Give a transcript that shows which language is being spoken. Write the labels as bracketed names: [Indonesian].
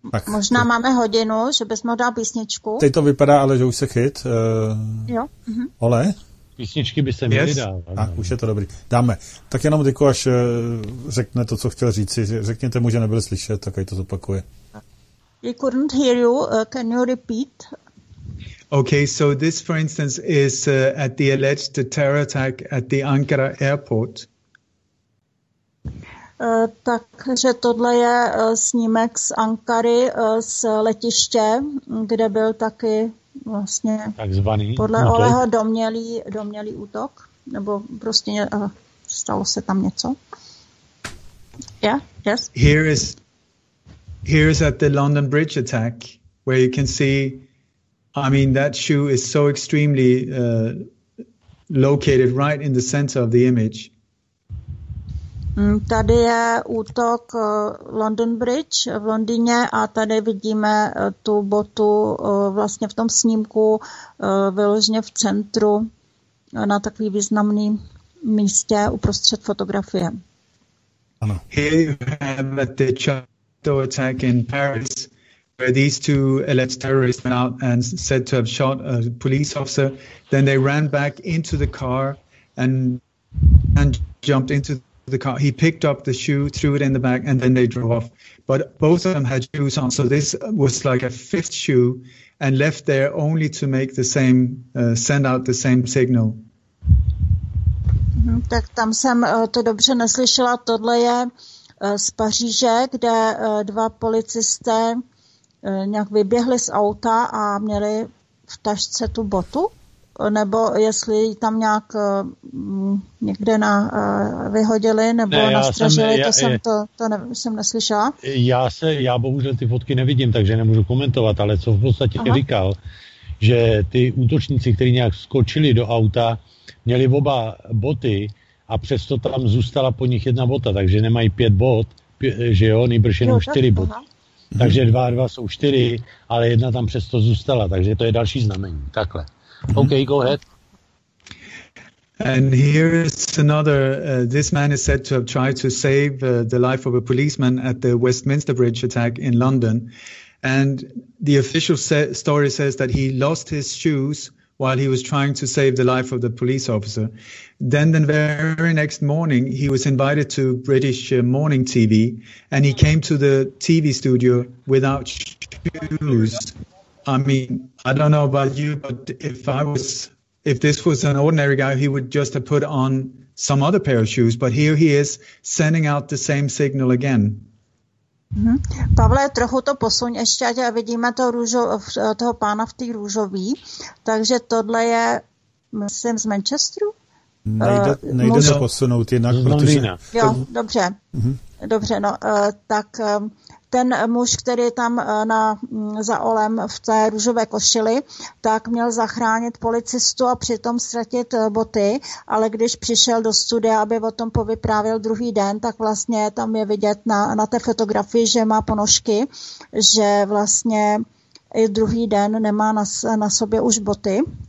[Czech] Možná máme hodinu, že bychom dal písničku. Teď to vypadá, ale že už se chyt. Jo. Uh-huh. Ole? Písničky by se měly dávat. Tak, už je to dobrý. Dáme. Tak jenom Diko, až řekne to, co chtěl říct. Řekněte mu, že nebyl slyšet, tak ať to zopakuje. [English] I couldn't hear you. Can you repeat? Okay, so this, for instance, is at the alleged terror attack at the Ankara airport. [Czech] Takže tohle je snímek z Ankary, z letiště, kde byl taky vlastně takzvaný, podle Oleho domnělý útok, nebo prostě stalo se tam něco. [English] Yeah, yes. Here is at the London Bridge attack, where you can see, I mean, that shoe is so extremely located right in the center of the image. [Czech] Tady je útok London Bridge v Londýně a tady vidíme tu botu vlastně v tom snímku vyloženě v centru na takový významný místě uprostřed fotografie. Ano. [English] Here you have the Chateau attack in Paris, where these two alleged terrorists went out and said to have shot a police officer. Then they ran back into the car and jumped into the car. He picked up the shoe, threw it in the back, and then they drove off. But both of them had shoes on, so this was like a fifth shoe, and left there only to make the same, send out the same signal. [Czech] Tak tam jsem to dobře neslyšela. Tohle je z Paříže, kde dva policisté nějak vyběhli z auta a měli v tašce tu botu. Nebo jestli tam nějak někde vyhodili nebo ne, nastražili, jsem neslyšela. Já bohužel ty fotky nevidím, takže nemůžu komentovat, ale co v podstatě říkal, že ty útočníci, kteří nějak skočili do auta, měli oba boty a přesto tam zůstala po nich jedna bota, takže nemají pět bot, že jo, nejbrž jenom čtyři boty. Takže dva a dva jsou čtyři, ale jedna tam přesto zůstala, takže to je další znamení, takhle. [English] Okay, go ahead. And here is another. This man is said to have tried to save the life of a policeman at the Westminster Bridge attack in London. And the official story says that he lost his shoes while he was trying to save the life of the police officer. Then the very next morning, he was invited to British morning TV and he came to the TV studio without shoes. I mean, I don't know about you, but if this was an ordinary guy, he would just have put on some other pair of shoes. But here he is sending out the same signal again. [Czech] Pavle, trochu to posuň ještě, ať vidíme toho, toho pána v té růžový. Takže tohle je, myslím, z Manchesteru? Nejde to posunout jinak, protože... Jo, dobře. Dobře, no, tak ten muž, který tam za Olem v té růžové košili, tak měl zachránit policistu a přitom ztratit boty, ale když přišel do studia, aby o tom povyprávěl druhý den, tak vlastně tam je vidět na té fotografii, že má ponožky, že vlastně i druhý den nemá na sobě už boty.